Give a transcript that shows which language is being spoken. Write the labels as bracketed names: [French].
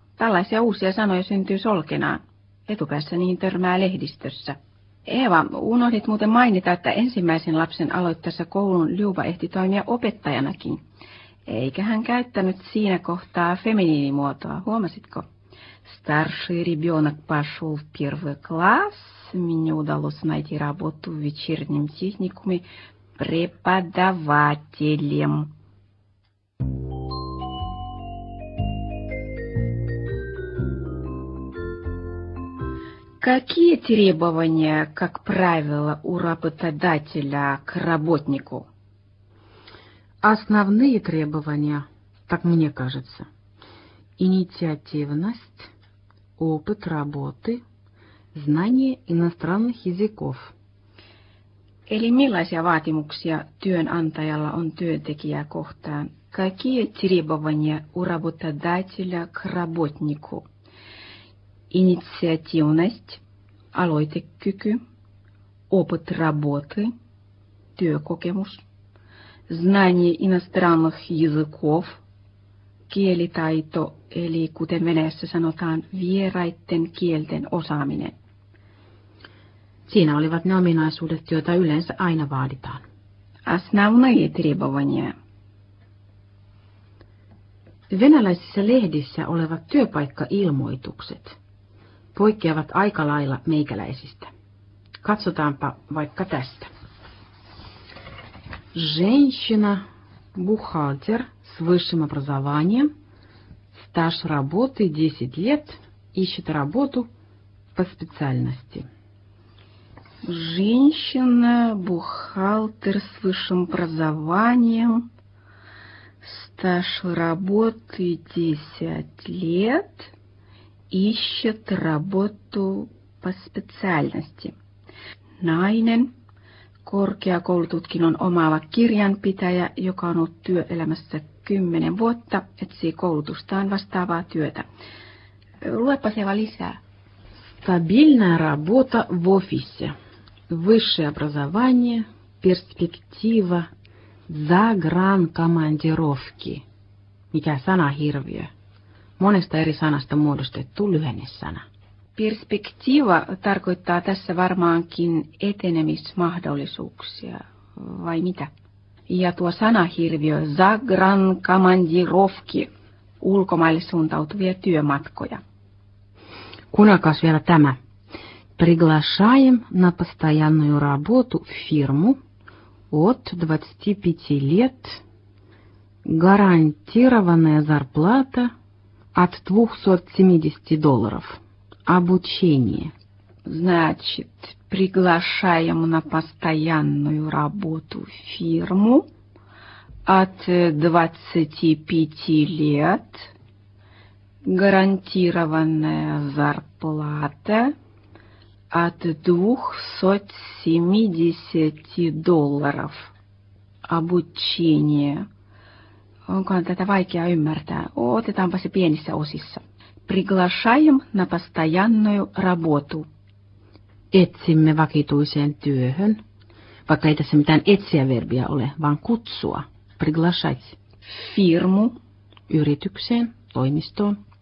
[Finnish] Tällaisia uusia sanoja syntyy solkenaan. Etupäässä niin törmää lehdistössä. Eeva, unohdit muuten mainita, että ensimmäisen lapsen aloittaessa koulun Ljuba ehti toimia opettajanakin. Eikä hän käyttänyt siinä kohtaa feminiinimuotoa, huomasitko? [Russian] Старший ребенок пошел в 1 класс, мне удалось найти работу в вечернем техникуме преподавателем. Какие требования, как правило, у работодателя к работнику? Основные требования, так мне кажется, инициативность, опыт работы, знание иностранных языков. [Finnish] Eli millaisia vaatimuksia työnantajalla on työntekijää kohtaan? [Russian] Какие требования у работодателя к работнику? Инициативность, [Finnish] aloitekyky, [Russian] опыт работы, [Finnish] työkokemus, [Russian] знание иностранных языков, [Finnish] kielitaito, eli kuten Venäjässä sanotaan, vieraiden kielten osaaminen. Siinä olivat ne ominaisuudet, joita yleensä aina vaaditaan. [Russian] Основные требования. [Finnish] Venäläisissä lehdissä olevat työpaikkailmoitukset poikkeavat aika lailla meikäläisistä. Katsotaanpa vaikka tästä. [Russian] Женщина, бухгалтер с высшим образованием. Стаж работы 10 лет, ищет работу по специальности. Женщина, бухгалтер с высшим образованием, стаж работы 10 лет, ищет работу по специальности. [Finnish] Найнен, korkeakoulututkinnon omaava kirjanpitäjä, joka on ollut työelämässä 10 vuotta, etsii koulutustaan vastaavaa työtä. Luepa siellä lisää. [Russian] Стабильная работа в офисе, высшее образование, перспектива, загранкомандировки. [Finnish] Mikä sana hirviö? Monesta eri sanasta muodostettu lyhennesana. Перспектива tarkoittaa tässä varmaankin etenemismahdollisuuksia, vai mitä? Ja tuo sana hirviö, загранкомандировки, ulkomaille suuntautuvia työmatkoja. Kuunnelkaas vielä tämä. [Russian] Приглашаем на постоянную работу в фирму от 25 лет, гарантированная зарплата от 270 долларов, обучение. Значит, приглашаем на постоянную работу в фирму от 25 лет. Гарантированная зарплата от 270 долларов. Обучение. [Finnish] Onkohan tätä vaikea ymmärtää? Otetaanpa se pienissä osissa. [Russian] Приглашаем на постоянную работу. [Finnish] Etsimme vakituiseen työhön. Vaikka ei tässä mitään etsiä-verbiä ole, vaan kutsua. [Russian] Приглашать. Фирму. [Finnish] Yritykseen, toimistoon.